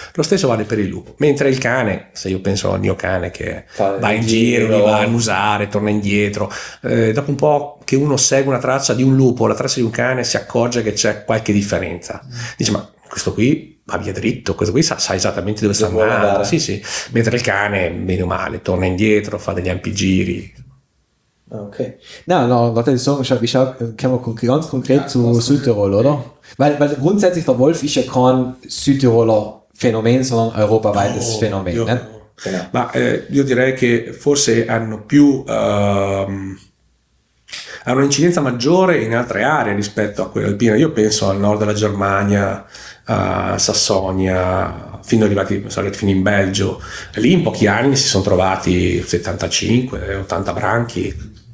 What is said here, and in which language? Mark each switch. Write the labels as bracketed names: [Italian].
[Italian] Lo stesso vale per il lupo. Mentre il cane, se io penso al mio cane che va in giro, mi va a annusare, torna indietro, dopo un po' che uno segue una traccia di un lupo, la traccia di un cane, si accorge che c'è qualche differenza. Dice, ma questo qui va via dritto, questo qui sa esattamente dove sta andando. Sì, sì. Mentre il cane, meno male, torna indietro, fa degli ampi giri. Okay. [German] Na, warte, ich sage, kommen wir ganz konkret zu Südtirol, oder? Weil grundsätzlich der Wolf ist ja kein Südtiroler Phänomen, sondern europaweites Phänomen. Ne? [Italian] Ma io direi che forse hanno più hanno un'incidenza maggiore in altre aree rispetto a quelle alpine. Io penso al nord della Germania, a Sassonia, fino arrivati, sono arrivati fino in Belgio. Lì in pochi anni si sono trovati 75-80 branchi.